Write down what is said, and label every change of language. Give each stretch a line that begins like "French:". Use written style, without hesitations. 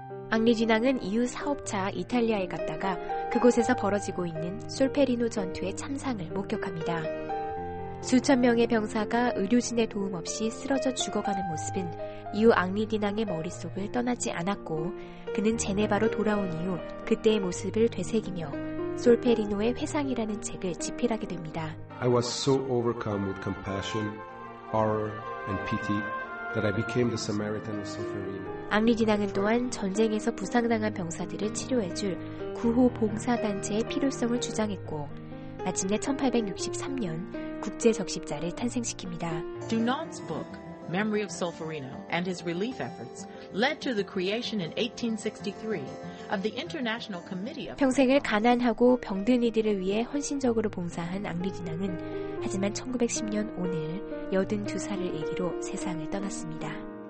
Korean: 앙리 듀낭은 이후 사업차 이탈리아에 갔다가 그곳에서 벌어지고 있는 솔페리노 전투의 참상을 목격합니다. 수천 명의 병사가 의료진의 도움 없이 쓰러져 죽어가는 모습은 이후 앙리 듀낭의 머릿속을 떠나지 않았고 그는 제네바로 돌아온 이후 그때의 모습을 되새기며 솔페리노의 회상이라는 책을 집필하게 됩니다.
English: I was so overcome with compassion, horror, and pity that I became the Samaritan of Solferino.
Korean: 앙리 듀낭은 또한 전쟁에서 부상당한 병사들을 치료해줄 구호봉사단체의 필요성을 주장했고 마침내 1863년 국제적십자를 탄생시킵니다.
English: Dunant's book, Memory of Solferino and His Relief Efforts led to the creation in 1863 of the International Committee of...
Korean: 평생을 가난하고 병든 이들을 위해 헌신적으로 봉사한 앙리 듀낭은 하지만 1910년 오늘 82살을 일기로 세상을 떠났습니다.